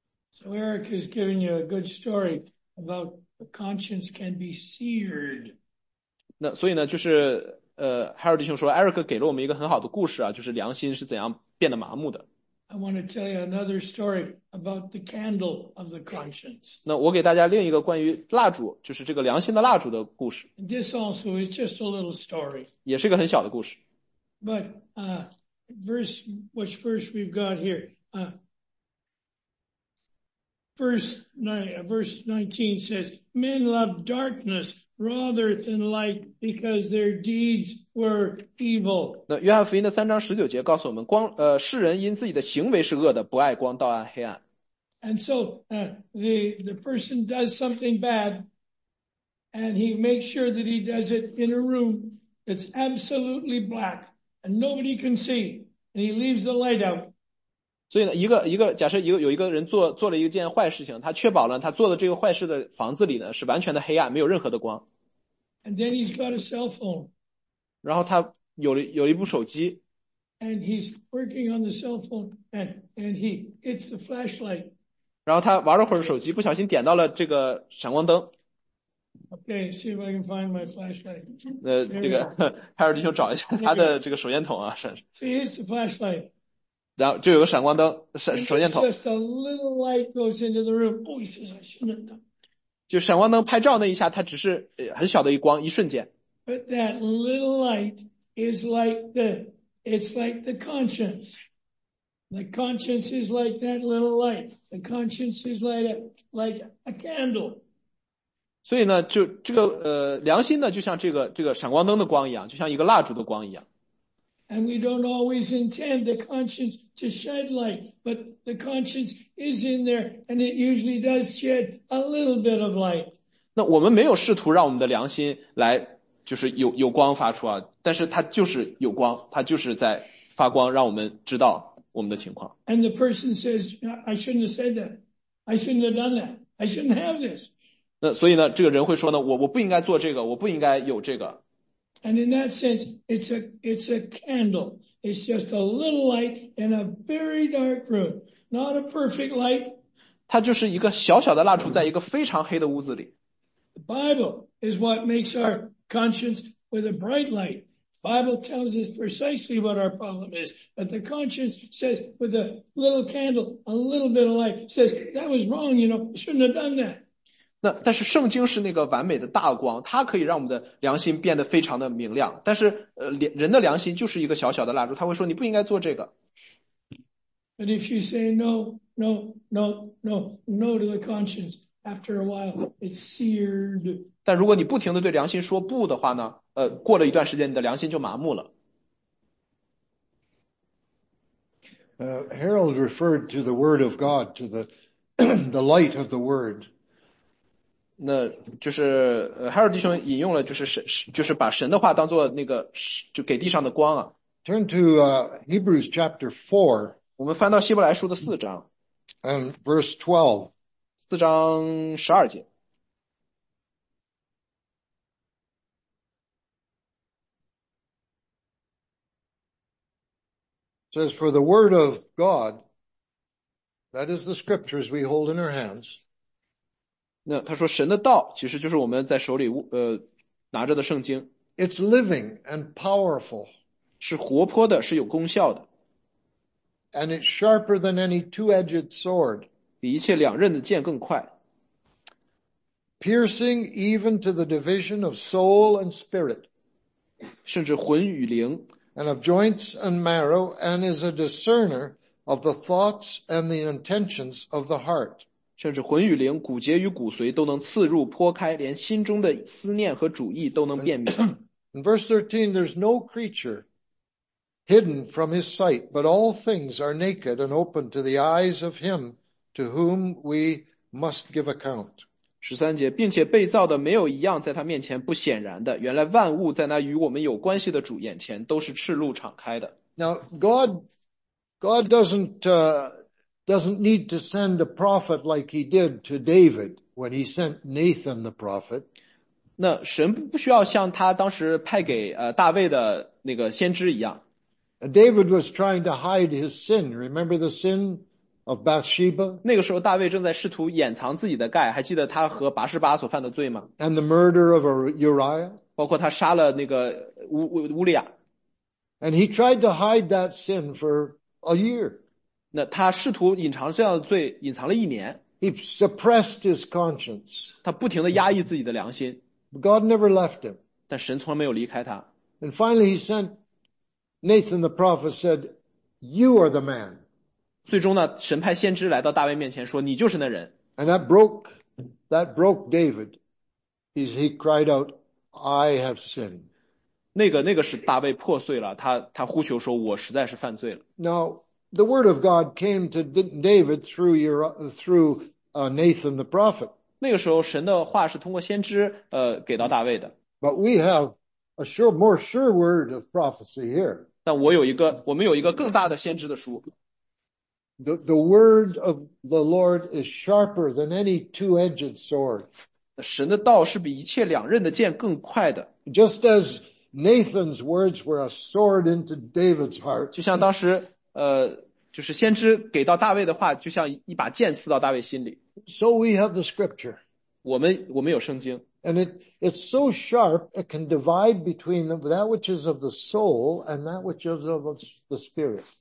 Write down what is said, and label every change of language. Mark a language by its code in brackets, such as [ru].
[en] So Eric is giving you a good story about conscience can be seared. [zh] 那所以呢，就是Harold 弟兄说 ，Eric 给了我们一个很好的故事啊，就是良心是怎样变得麻木的。 [en] I want to tell you another story about the candle of the conscience. [zh] 那我给大家另一个关于蜡烛，就是这个良心的蜡烛的故事。 [en] This also is just a little story. [zh] 也是一个很小的故事。 [en] But verse we've got here. Verse 19 says, men love darkness rather than light because their deeds were evil. [zh] 那约翰福音的三章十九节告诉我们光世人因自己的行为是恶的不爱光倒爱黑暗。 [en] And so, the person does something bad and he makes sure that he does it in a room that's absolutely black and nobody can see and he leaves the light out. [zh] 所以呢一个假设有一个人做了一件坏事情，他确保了他做的这个坏事的房子里呢是完全的黑暗，没有任何的光。 [en] And then he's got a cell phone. [zh] 然后他有了一部手机。 [en] And he's working on the cell phone and he hits the flashlight. [zh] 然后他玩了会儿手机，不小心点到了这个闪光灯。 [en] Okay, see if I can find my flashlight. [zh] 这个海尔弟兄找一下他的这个手电筒啊，是。 [en] See, it's the flashlight. [zh] 然后就有个闪光灯，手电筒。 [en] Just a little light goes into the room. Oh, he says, I shouldn't have done. [zh] 就闪光灯拍照那一下，它只是很小的一光，一瞬间。 [en] But that little light is like it's like the conscience. The conscience is like that little light. The conscience is like a candle. [zh] 所以呢，就这个良心呢，就像这个闪光灯的光一样，就像一个蜡烛的光一样。 [en] And we don't always intend the conscience to shed light, but the conscience is in there, and it usually does shed a little bit of light. [zh] 那我们没有试图让我们的良心来，就是有光发出啊，但是它就是有光，它就是在发光，让我们知道我们的情况。 [en] And the person says, I shouldn't have said that. I shouldn't have done that. I shouldn't have this. [zh] 那所以呢，这个人会说呢，我不应该做这个，我不应该有这个。 [en] And in that sense, it's a candle. It's just a little light in a very dark room. Not a perfect light. [zh] 它就是一个小小的蜡烛在一个非常黑的屋子里。 [en] The Bible is what makes our conscience with a bright light. Bible tells us precisely what our problem is. But the conscience says with a little candle, a little bit of light, says, that was wrong, you know, shouldn't have done that. [zh] 但是圣经是那个完美的大光，它可以让我们的良心变得非常的明亮。但是人的良心就是一个小小的蜡烛，他会说你不应该做这个。 [en] But if you say no, no, no, no, no to the conscience, after a while it's seared. [zh] 但如果你不停的对良心说不的话呢？过了一段时间，你的良心就麻木了。 [en] Harold referred to the Word of God, to the light of the Word. [zh] 那就是海尔弟兄引用了就是把神的话当作那个就给地上的光啊。 [en] Turn to Hebrews chapter 4. [zh] 我们翻到希伯来书的四章。 [en] And verse 12. [zh] 四章十二节。 [en] It says, for the word of God, that is the scriptures we hold in our hands, [zh] 那他说神的道其实就是我们在手里拿着的圣经。 [en] It's living and powerful. [zh] 是活泼的，是有功效的。 [en] And it's sharper than any two-edged sword. [zh] 比一切两刃的剑更快。 [en] piercing even to the division of soul and spirit, [zh] 甚至魂与灵, [en] and of joints and marrow, and is a discerner of the thoughts and the intentions of the heart. [zh] 甚至魂与灵、骨节与骨髓都能刺入、剖开，连心中的思念和主意都能辨明。 [en] In verse 13, there's no creature hidden from his sight, but all things are naked and open to the eyes of him to whom we must give account. [zh] 13节，并且被造的没有一样在他面前不显然的，原来万物在那与我们有关系的主眼前都是赤露敞开的。 [en] Now, God doesn't need to send a prophet like he did to David when he sent Nathan the prophet. [zh] 那神不需要像他当时派给大卫的那个先知一样。 [en] David was trying to hide his sin. Remember the sin of Bathsheba? [zh] 那个时候大卫正在试图掩藏自己的罪，还记得他和拔示巴所犯的罪吗？ [en] And the murder of Uriah. [zh] 包括他杀了那个乌利亚。 [en] And he tried to hide that sin for a year. [zh] 那他试图隐藏这样的罪，隐藏了一年。 [en] He suppressed his conscience. [zh] 他不停地压抑自己的良心。 [en] God never left him. [zh] 但神从来没有离开他。 [en] And finally he sent Nathan the prophet said, you are the man. [zh] 最终呢，神派先知来到大卫面前说，你就是那人。 [en] And that broke David. He cried out, I have sinned. [zh] 那个是大卫破碎了，他呼求说，我实在是犯罪了。 [en] Now, the word of God came to David through Nathan the prophet. [zh] 那个时候神的话是通过先知给到大卫的。 [en] But we have a sure, more sure word of prophecy here. [zh] 但我们有一个更大的先知的书。 [en] The word of the Lord is sharper than any two-edged sword. [zh] 神的道是比一切两刃的剑更快的。 [en] Just as Nathan's words were a sword into David's heart. [zh] 就像当时就是先知给到大卫的话就像一把剑刺到大卫心里。 [en] So we have the scripture. [zh] 我们有圣经。 [en] And it's so sharp, it can divide between that which is of the soul and that which is of the spirit.